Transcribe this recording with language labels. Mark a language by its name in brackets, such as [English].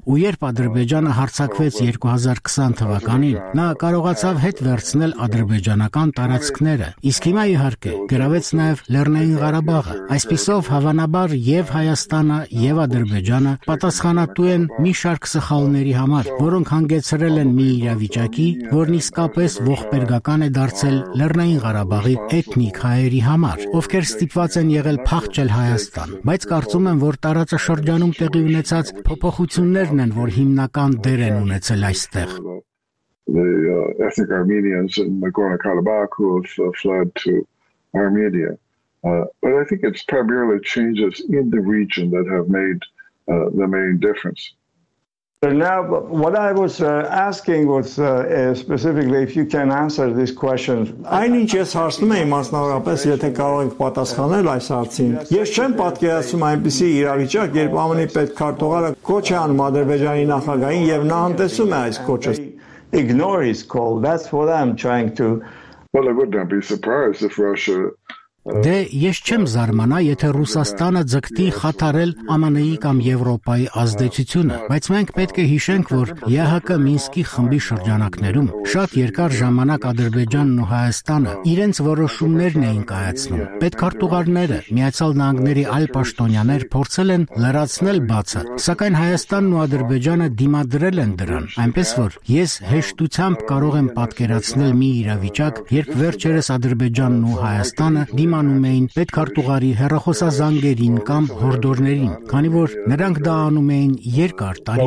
[Armenian] ու երբ Ադրբեջանը հարձակվեց 2020 թվականին, նա կարողացավ հետ վերցնել ադրբեջանական տարածքները, իսկ հիմա իհարկե գրավեց նաև Լեռնային Ղարաբաղը։ Այսպիսով հավանաբար եւ Հայաստանը եւ Ադրբեջանը պատասխանատու են մի շարք սխալների համար, որոնք հանգեցրել են մի իրավիճակի, որն իսկապես ողբեր գական է դարձել Լեռնային Ղարաբաղի էթնիկ հայերի համար, ովքեր ստիպված են եղել փախչել Հայաստան, բայց կարծում եմ, որ տարածաշրջանում տեղի ունեցած փոփոխություններն են, որ հիմնական դեր են ունեցել այստեղ։ [English] The ethnic Armenians in Nagorno-Karabakh who have fled to Armenia. But I think it's primarily changes in the region that have made the main difference. Now, what I was asking was specifically if you can answer this question. [Armenian] Այնինչ ես հարցնում եմ մասնավորապես, եթե կարող եք պատասխանել այս հարցին։ Ես չեմ պատկերացնում այնպիսի իրավիճակ, երբ ԱՄՆ-ի պետքարտուղարը կոչ է անում Ադրբեջանի նախագահին եւ նա անտեսում է այս կոչը. [English] Ignore his call. That's what I'm trying to. Well, I would not be surprised if Russia. [Armenian] Դե ես չեմ զարմանա, եթե Ռուսաստանը ձգտի խաթարել ԱՄՆ-ի կամ Եվրոպայի ազդեցությունը, բայց մենք պետք է հիշենք, որ ԵՀԿ Մինսկի խմբի շրջանակներում շատ երկար ժամանակ Ադրբեջանն ու Հայաստանը իրենց որոշումներն էին կայացնում։ Պետքարտուղարները, Միացյալ Նահանգների այլ պաշտոնյաներ փորձել են լրացնել բացը, սակայն Հայաստանն ու Ադրբեջանը դիմադրել են դրան, այնպես որ ես հեշտությամբ կարող եմ պատկերացնել մի իրավիճակ, երբ վերջերս Ադրբեջանն ու Հայաստանը դիմանում էին պետքարտուղարի հեռախոսազանգերին կամ հորդորներին, քանի որ նրանք դա անում էին երկար